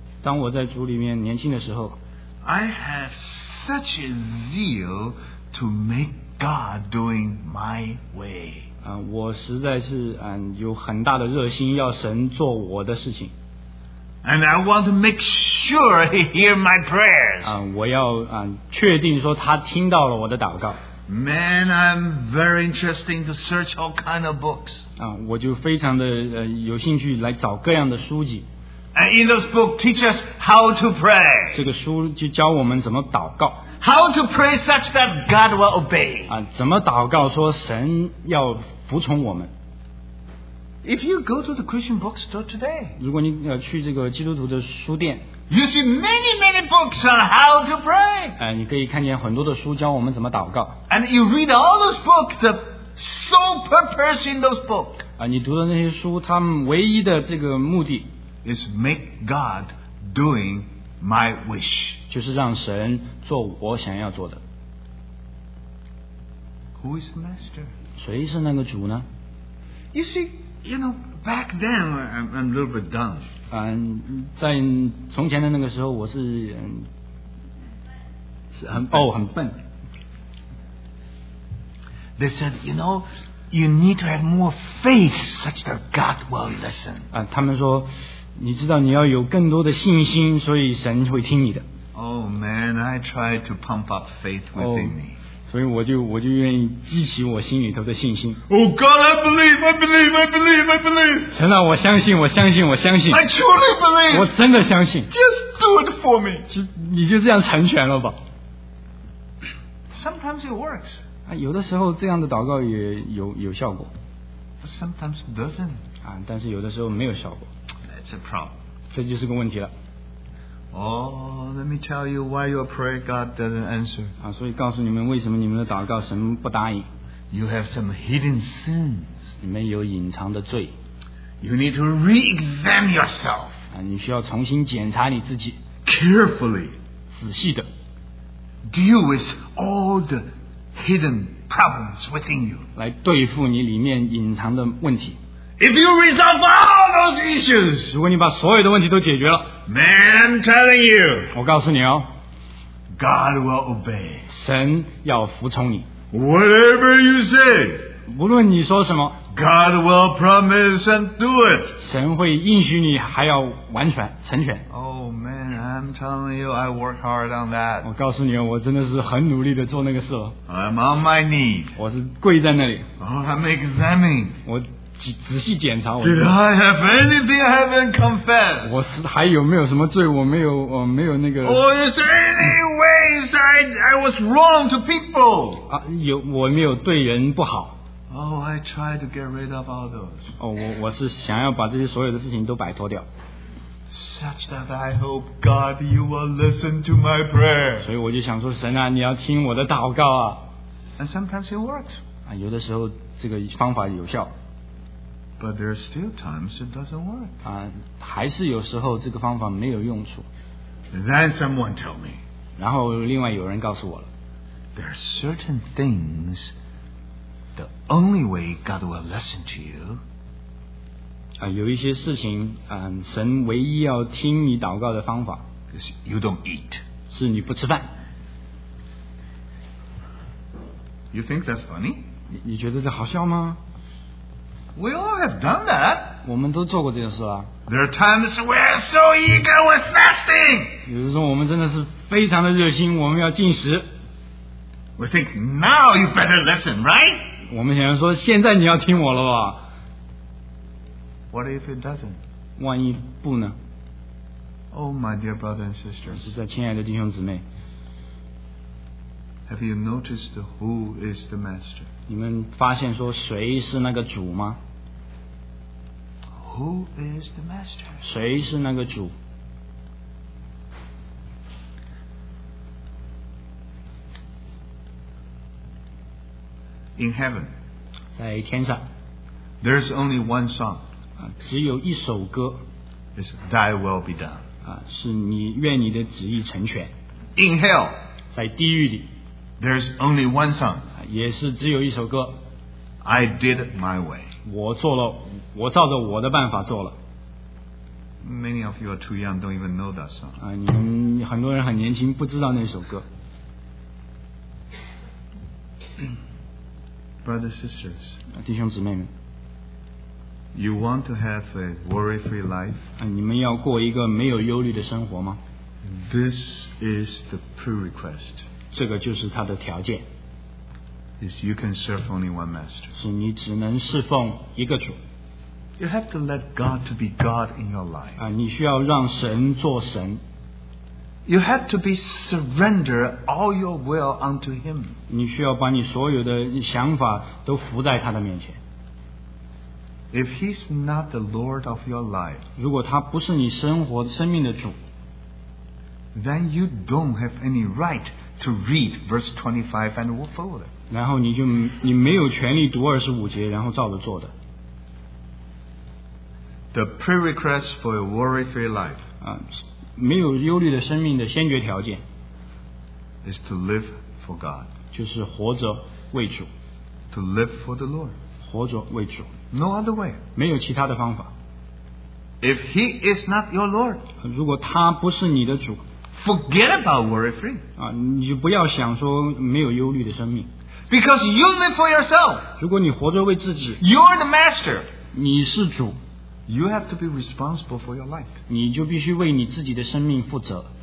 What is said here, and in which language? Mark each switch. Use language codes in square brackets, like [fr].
[zh] 当我在主里面年轻的时候， [en] I have such a zeal to make God doing my way. [zh] 我实在是有很大的热心要神做我的事情。 [en] And I want to make sure he hear my prayers. [zh] 我要确定说他听到了我的祷告。 [en] Man, I'm very interesting to search all kind of books. [zh] 我就非常的有兴趣来找各样的书籍。 [en] And in those books teach us how to pray. [zh] 这个书就教我们怎么祷告。 [en] How to pray such that God will obey? [zh] 怎么祷告说神要服从我们？ [en] If you go to the Christian bookstore today, [zh] 如果你去这个基督徒的书店， [en] you see many, many books on how to pray. [zh] 你可以看见很多的书教我们怎么祷告。 [en] And you read all those books, the sole purpose in those books, [zh] 你读的那些书，他们唯一的这个目的 [en] is make God doing my wish. [zh] 就是让神做我想要做的。 [en] Who is the master? [zh] 谁是那个主呢？ [en] You see, you know, back then I'm a little bit dumb. [zh] 在从前的那个时候我是很笨。 [en] They said, you know, you need to have more faith such that God will listen. [zh] 他们说你知道你要有更多的信心，所以神会听你的。 [en] Oh man, I try to pump up faith within me. [zh] 所以我就愿意激起我心里头的信心。 [en] Oh God, I believe, I believe, I believe, I believe. [zh] 神啊，我相信，我相信，我相信。 [en] I truly believe. [zh] 我真的相信。 [en] Just do it for me. [zh] 你就这样成全了吧。 [en] Sometimes it works. [zh] 有的时候这样的祷告也有效果。 [en] But sometimes it doesn't. [zh] 但是有的时候没有效果。这就是个问题了。 [en] Let me tell you why your prayer God doesn't answer. [zh] 所以告诉你们为什么你们的祷告神不答应。 [en] You have some hidden sins. [zh] 你们有隐藏的罪。 [en] You need to re-examine yourself. [zh] 你需要重新检查你自己。 [en] Carefully. [zh] 仔细的。 [en] Deal with all the hidden problems within you. [zh] 来对付你里面隐藏的问题。 [en] If you resolve all those issues, [zh] 如果你把所有的问题都解决了， [en] man, I'm telling you, [zh] 我告诉你哦， [en] God will obey. [zh] 神要服从你。 [en] Whatever you say, [zh] 无论你说什么， [en] God will promise and do it. [zh] 神会应许你还要完全成全。 [en] Oh man, I'm telling you, I work hard on that. [zh] 我告诉你哦，我真的是很努力的做那个事哦。 [en] I'm on my knee. [zh] 我是跪在那里。 [en] Oh, I'm examining. [zh] 我仔细检查我。 [en] Did I have anything I haven't confessed? [zh] 我还有没有什么罪？我没有那个。 [en] Or is there any ways I was wrong to people? [zh] 我没有对人不好。 [en] Oh, I tried to get rid of all those. [zh] 我是想要把这些所有的事情都摆脱掉。 [en] Such that I hope God, you will listen to my prayer. [zh] 所以我就想说，神啊，你要听我的祷告啊。 [en] And sometimes it works. [zh] 有的时候这个方法有效。 [en] But there are still times it doesn't work. [zh] 啊，还是有时候这个方法没有用处。 [en] And then someone told me. [zh] 然后另外有人告诉我了。 [en] There are certain things the only way God will listen to you. [zh] 啊，有一些事情，嗯，神唯一要听你祷告的方法。 [en] Is you don't eat. [zh] 是你不吃饭。 [en] You think that's funny? [zh] 你觉得这好笑吗？ [en] We all have done that. [zh] 我们都做过这件事了。 [en] There are times we're so eager with fasting. [zh] 有的时候我们真的是非常的热心，我们要进食。 [en] We think now you better listen, right? [zh] 我们想说现在你要听我了吧。 [en] What if it doesn't? [zh] 万一不呢？ [en] Oh, my dear brothers and sisters. [zh] 是在亲爱的弟兄姊妹。 [en] Have you noticed who is the master? [zh] 你们发现说谁是那个主吗？ [en] Who is the master? [zh] 谁是那个主？ [en] In heaven, [zh] 在天上， [en] there is only one song. [zh] 只有一首歌。 [en] It's Thy will be done. [zh] 是你愿你的旨意成全。 [en] In hell, [zh] 在地狱里。 [en] There's only one song. [zh] 也是只有一首歌。 [en] I did it my way. [zh] 我照着我的办法做了。 [en] Many of you are too young, don't even know that song. [zh] 你们很多人很年轻，不知道那首歌。 [en] Brothers, sisters, [zh] 弟兄姊妹们。 [en] You want to have a worry-free life? [zh] 你们要过一个没有忧虑的生活吗？ [en] This is the prerequest. [zh] 这个就是他的条件。 [en] Is you can serve only one master. [zh] 是你只能侍奉一个主。 [en] You have to let God to be God in your life. [zh] 你需要让神做神。 [en] You have to be surrender all your will unto Him. [zh] 你需要把你所有的想法都服在他的面前。 [en] If He's not the Lord of your life. [zh] 如果他不是你生命的主。 [en] Then you don't have any right. To read verse 25 and forward. [zh] 然后你没有权利读25节，然后照着做的。 [en] The prerequisite for a worry-free life. [zh] 没有忧虑的生命的先决条件。 [en] Is to live for God. [zh] 就是活着为主。 [en] To live for the Lord. [zh] 活着为主。 [en] No other way. [zh] 没有其他的方法。 [en] If He is not your Lord. [zh] 如果他不是你的主。 [en] Forget about worry-free. [zh] 你就不要想说没有忧虑的生命。 [en] Because you live for yourself. [zh] 如果你活着为自己。 [en] You're the master. [zh] 你是主。 [en] You have to be responsible for your life. [zh] 你就必须为你自己的生命负责。